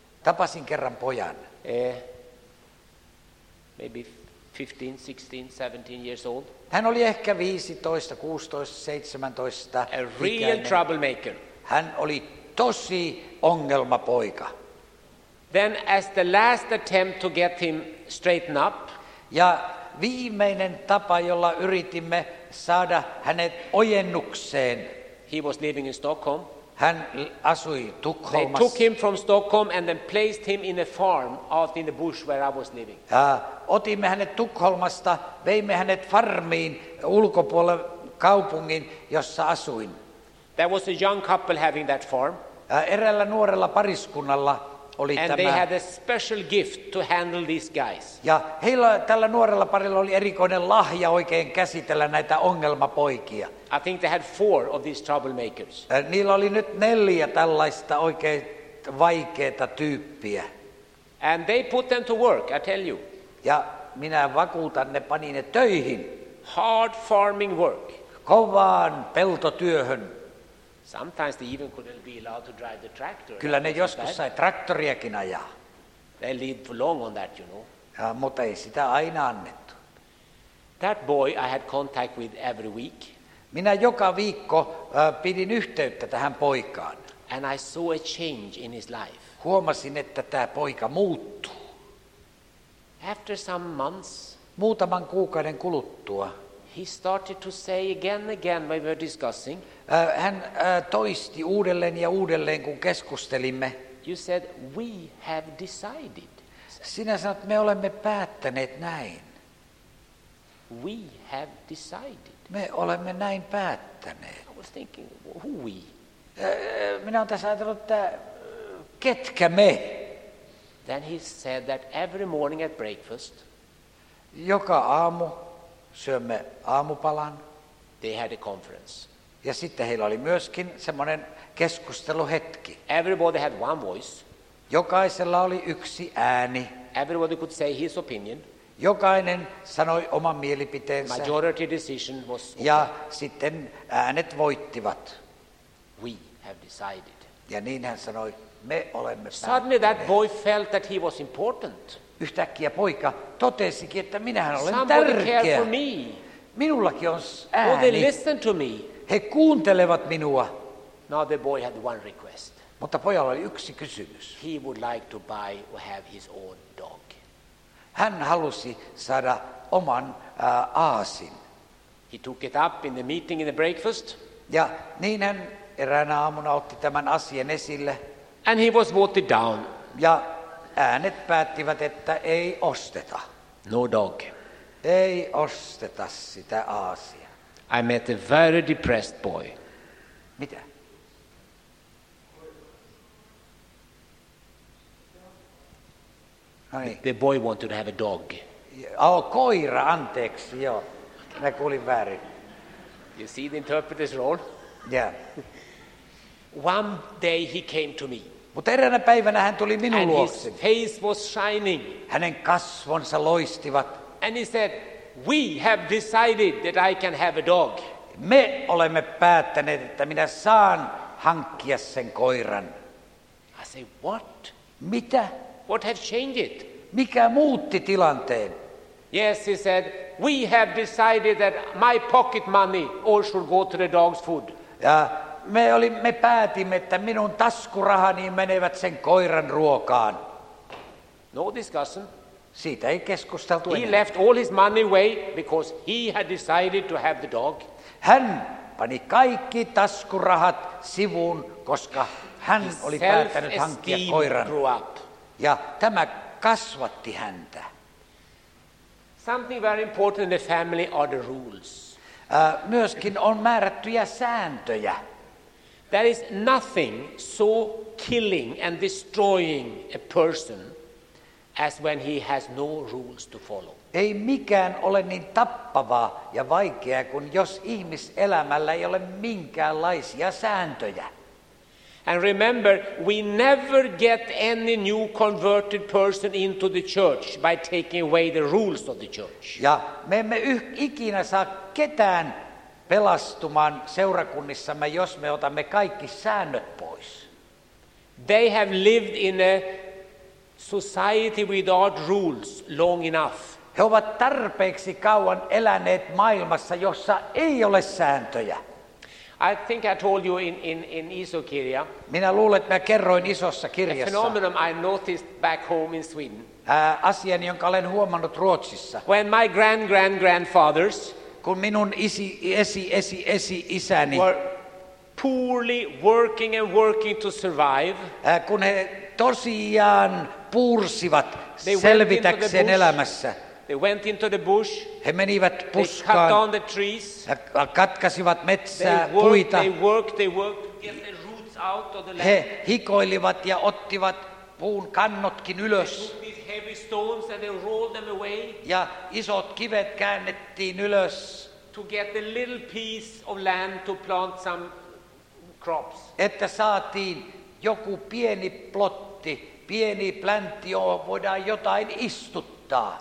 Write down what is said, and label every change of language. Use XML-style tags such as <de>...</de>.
<fi>Tapasin kerran pojan.</fi> <en>Maybe 15, 16, 17 years old.</en> <fi>Hän oli ehkä 15, 16, 17.</fi> <en>A real troublemaker.</en> <fi>Hän oli tosi ongelmapoika.</fi> <en>Then as the last attempt to get him straightened up.</en> <fi>Ja viimeinen tapa, jolla yritimme saada hänet ojennukseen.</fi> <en>He was living in Stockholm.</en> <fi>Hän asui Tukholmassa.</fi> <en>They took him from Stockholm and then placed him in a farm out in the bush where I was living.</en> <fi>Ja otimme hänet Tukholmasta, veimme hänet farmiin ulkopuolelle kaupungin, jossa asuin.</fi> <en>There was a young couple having that farm.</en> <fi>Ja eräällä nuorella pariskunnalla oli</fi> <en>and</en> <fi>tämä.</fi> <en>And they had a special gift to handle these guys.</en> <fi>Ja heillä, tällä nuorella parilla oli erikoinen lahja oikein käsitellä näitä ongelmapoikia.</fi> <en>I think they had four of these troublemakers.</en> <fi>Niillä oli nyt neljä tällaista oikein vaikeita tyyppiä.</fi> <en>And they put them to work, I tell you.</en> <fi>Ja minä vakuutan, ne pani ne töihin.</fi> <en>Hard farming work.</en> <fi>Kovaan peltotyöhön.</fi> <en>Sometimes they even couldn't be allowed to drive the tractor.</en> <fi>Kyllä ne joskus sai traktoriakin ajaa.</fi> <en>They lived for long on that, you know.</en> <fi>Ja, mutta ei sitä aina annettu.</fi> <en>That boy I had contact with every week.</en> <fi>Minä joka viikko pidin yhteyttä tähän poikaan.</fi> <en>And I saw a change in his life.</en> <fi>Huomasin, että tämä poika muuttuu.</fi> <en>After some months,</en> <fi>muutaman kuukauden kuluttua,</fi> <en>he started to say again when we were discussing.</en> <fi>Hän toisti uudelleen ja uudelleen, kun keskustelimme.</fi> <en>You said, we have decided.</en> <fi>Sinä sanot, me olemme päättäneet näin.</fi> <en>We have decided.</en> <fi>Me olemme näin päättäneet.</fi> <en>I was thinking, who we?</en> <fi>Minä olen tässä ajatellut, että ketkä me?</fi> <en>Then he said that every morning at breakfast.</en> <fi>Joka aamu syömme aamupalan.</fi> <en>They had a conference.</en> <fi>Ja sitten heillä oli myöskin semmoinen keskusteluhetki.</fi> <en>Everybody had one voice.</en> <fi>Jokaisella oli yksi ääni.</fi> <en>Everybody could say his opinion.</en> <fi>Jokainen sanoi oman mielipiteensä.</fi> <en>Majority decision was okay.</en> <fi>Ja sitten äänet voittivat.</fi> <en>We have decided.</en> <fi>Ja niin hän sanoi, me olemme päättäneet.</fi> <en>Suddenly that boy felt that he was important.</en> <fi>Yhtäkkiä poika totesikin, että minähän olen</fi> <en>somebody</en> <fi>tärkeä.</fi> <en>Care for me.</en> <fi>Minullakin on ääni.</fi> <en>Well, they listen to me.</en> <fi>He kuuntelevat minua.</fi> <en>Now the boy had one request.</en> <fi>Mutta pojalla oli yksi kysymys.</fi> <en>He would like to buy or have his own dog.</en> <fi>Hän halusi saada oman aasin.</fi> <en>He took it up in the meeting in the breakfast.</en> <fi>Ja niin hän eräänä aamuna otti tämän asian esille.</fi> <en>And he was voted down.</en> <fi>Ja äänet päättivät, että ei osteta.</fi> <en>No dog.</en> <fi>Ei osteta sitä aasia.</fi> <en>I met a very depressed boy.</en> <fi>Mitä?</fi> <en>The boy wanted to have a dog.</en> <fi>Oh, koira, anteeksi, joo. Minä kuulin väärin.</fi> <en>You see the interpreter's role? Yeah. One day he came to me.</en> <fi>Mutta eräänä päivänä hän tuli minun</fi> <en>and</en> <fi>luokse.</fi> <en>His face was shining.</en> <fi>Hänen kasvonsa loistivat.</fi> <en>And he said, we have decided that I can have a dog.</en> <fi>Me olemme päättäneet, että minä saan hankkia sen koiran.</fi> <en>I say, what?</en> <fi>Mitä?</fi> <en>What has changed it?</en> <fi>Mikä muutti tilanteen?</fi> <en>Yes, he said, we have decided that my pocket money all should go to the dog's food.</en> <fi>Ja me päätimme, että minun taskurahani menevät sen koiran ruokaan.</fi> <en>No discussion.</en> <fi>Siitä ei keskusteltu enää.</fi> <en>He left all his money away because he had decided to have the dog.</en> <fi>Hän pani kaikki taskurahat sivuun, koska hän</fi> <en>his</en> <fi>oli päättänyt hankkia koiran.</fi> <en>Grew up.</en> <fi>Ja tämä kasvatti häntä.</fi> <en>Something very important in the family are the rules.</en> <fi>Myöskin on määrättyjä sääntöjä.</fi> <en>There is nothing so killing and destroying a person as when he has no rules to follow.</en> <fi>Ei mikään ole niin tappavaa ja vaikeaa kuin jos ihmiselämällä ei ole minkäänlaisia sääntöjä.</fi> <en>And remember, we never get any new converted person into the church by taking away the rules of the church.</en> <fi>Ja me emme ikinä saa ketään pelastumaan seurakunnissamme, jos me otamme kaikki säännöt pois.</fi> <en>They have lived in a society without rules long enough.</en> <fi>He ovat tarpeeksi kauan eläneet maailmassa, jossa ei ole sääntöjä.</fi> <en>I think I told you in</en> <fi>iso kirja. Minä luulen, että mä kerroin isossa kirjassa.</fi> <en>A phenomenon I noticed back home in Sweden.</en> <fi>Asian, jonka olen huomannut Ruotsissa.</fi> <en>When my grandfathers,</en> <fi>kun minun esi-isäni</fi> <en>were poorly working to survive.</en> <fi>Kun he tosiaan puursivat selvitäkseen elämässä.</fi> <en>They went into the bush.</en> <fi>He menivät puskaan.</fi> <en>They cut down the trees.</en> <fi>Katkasivat metsää, puita.</fi> <en>They worked, get the roots out of the land.</en> <fi>He hikoilivat ja ottivat puun kannotkin ylös.</fi> <en>They took these heavy stones and they rolled them away.</en> <fi>Ja isot kivet käännettiin ylös.</fi> <en>To get a little piece of land to plant some crops.</en> <fi>Että saatiin joku pieni plotti, pieni pläntti, johon voidaan jotain istuttaa.</fi>